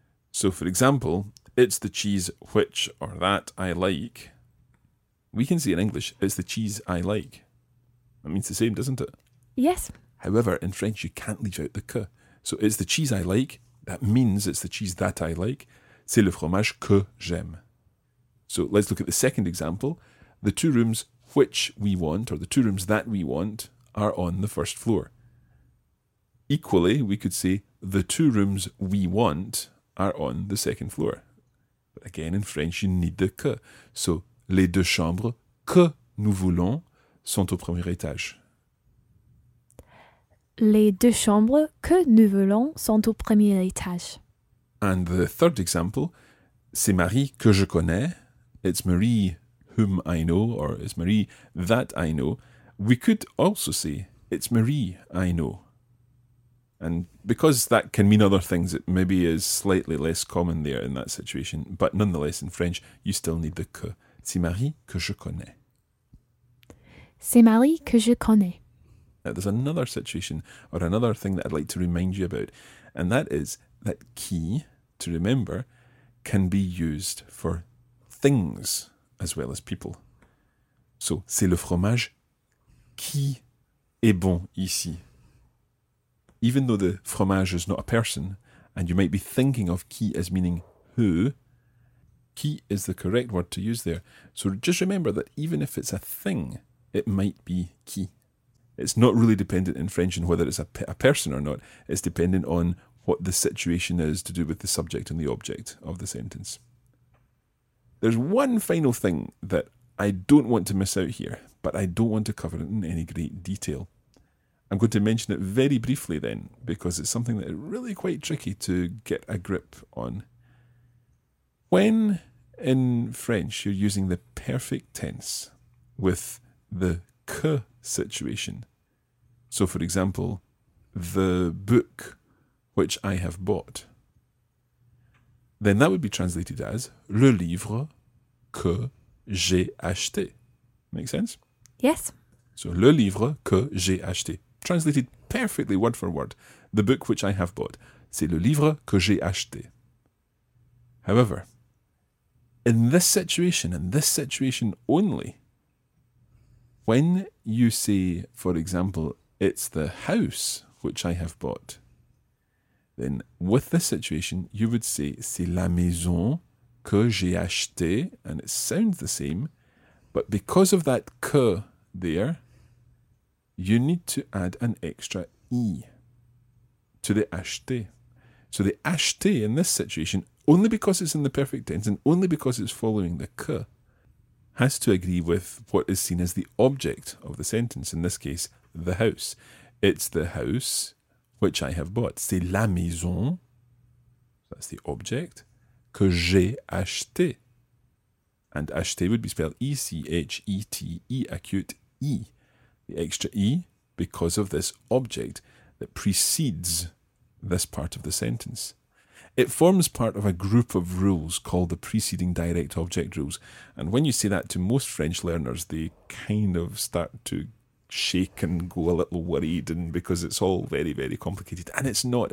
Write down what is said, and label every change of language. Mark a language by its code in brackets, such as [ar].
[en] So, for example, it's the cheese which or that I like. We can say in English, it's the cheese I like. That means the same, doesn't it? Yes. However, in French, you can't leave out the que. So, it's the cheese I like. That means it's the cheese that I like. [fr] C'est le fromage que j'aime. [en] So let's look at the second example. The two rooms which we want, or the two rooms that we want, are on the first floor. Equally, we could say the two rooms we want are on the second floor. But again, in French, you need the que. [fr] So les deux chambres que nous voulons sont au premier étage. Les deux chambres que nous voulons sont au premier étage. [en] And the third example, [fr] c'est Marie que je connais. [en] It's Marie whom I know, or it's Marie that I know. We could also say, it's Marie I know. And because that can mean other things, it maybe is slightly less common there in that situation. But nonetheless, in French, you still need the que. [fr] C'est Marie que je connais. C'est Marie que je connais. [en] Now, there's another situation or another thing that I'd like to remind you about, and that is that qui, to remember, can be used for things as well as people. [fr] So, c'est le fromage qui est bon ici. [en] Even though the fromage is not a person, and you might be thinking of qui as meaning who, qui is the correct word to use there. So just remember that even if it's a thing, it might be qui. It's not really dependent in French on whether it's a person or not. It's dependent on what the situation is to do with the subject and the object of the sentence. There's one final thing that I don't want to miss out here, but I don't want to cover it in any great detail. I'm going to mention it very briefly then, because it's something that is really quite tricky to get a grip on. When in French you're using the perfect tense with the que situation. So for example, the book which I have bought. Then that would be translated as [fr] le livre que j'ai acheté. [en] Make sense? Yes. [fr] So, le livre que j'ai acheté. [en] Translated perfectly word for word. The book which I have bought. [fr] C'est le livre que j'ai acheté. [en] However, in this situation, in this situation only, when you say, for example, it's the house which I have bought, then with this situation, you would say, [fr] c'est la maison que j'ai acheté, [en] and it sounds the same, but because of that que there, you need to add an extra I to the acheté. So the acheté in this situation, only because it's in the perfect tense and only because it's following the que, has to agree with what is seen as the object of the sentence, in this case, the house. It's the house which I have bought. [fr] C'est la maison, [en] that's the object, [fr] que j'ai acheté. [en] And acheté would be spelled E-C-H-E-T-E, acute E. The extra E, because of this object that precedes this part of the sentence. It forms part of a group of rules called the preceding direct object rules. And when you say that to most French learners, they kind of start to shake and go a little worried, and because it's all very, very complicated. And it's not.